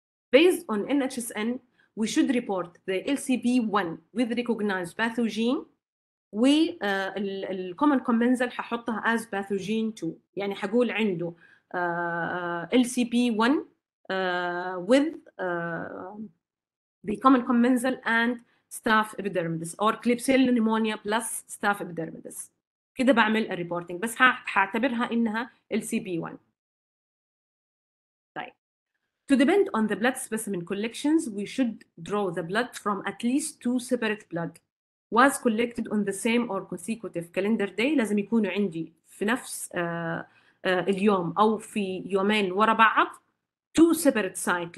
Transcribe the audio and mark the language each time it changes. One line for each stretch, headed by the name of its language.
English: Based on NHSN, we should report the LCP1 with recognized pathogen
Arabic: و ال
English: common commensal
Arabic: ححطها
English: as pathogen 2,
Arabic: يعني حقول عنده
English: LCP1 with the common commensal and staph epidermidis or Klebsiella pneumonia plus staph epidermidis.
Arabic: كده بعمل الريبورتنج, بس هعتبرها انها LCP1. طيب
English: to depend on the blood specimen collections, we should draw the blood from at least two separate blood was collected on the same or consecutive calendar day.
Arabic: لازم يكونوا عندي في نفس اليوم او في يومين ورا بعض
English: two separate sites.